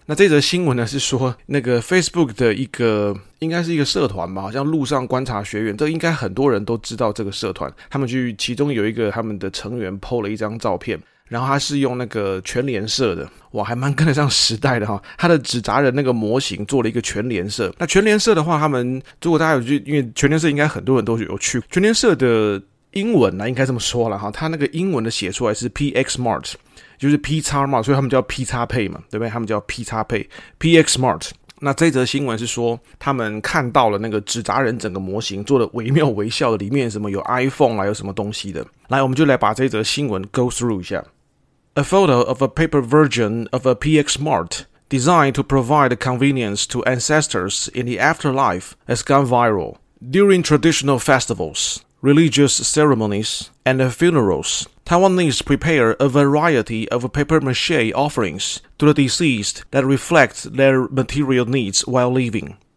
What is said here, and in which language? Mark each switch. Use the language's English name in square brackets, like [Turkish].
[Chinese] 那这则新闻呢是说那个 Facebook 的一个应该是一个社团吧，好像路上观察学员，这应该很多人都知道这个社团，他们去其中有一个他们的成员 po 了一张照片，然后他是用那个全联社的，哇，还蛮跟得上时代的，他的纸扎人那个模型做了一个全联社。那全联社的话，他们如果大家有去，因为全联社应该很多人都有去，全联社的英文应该这么说了，他那个英文的写出来是 PX Mart， 就是 PX Mart， 所以他们叫 PX Pay 嘛，对不对？他们叫 PX Pay， PX Mart。那这则新闻是说他们看到了那个纸扎人整个模型做的惟妙惟肖的，里面什么有 iPhone 啊，有什么东西的。来，我们就来把这则新闻 go through 一下。 [English] A photo of a paper version of a PX Mart designed to provide convenience to ancestors in the afterlife has gone viral. During traditional festivals, religious ceremonies, and funerals, Taiwanese prepare a variety of papier-mâché offerings to the deceased that reflect their material needs while living.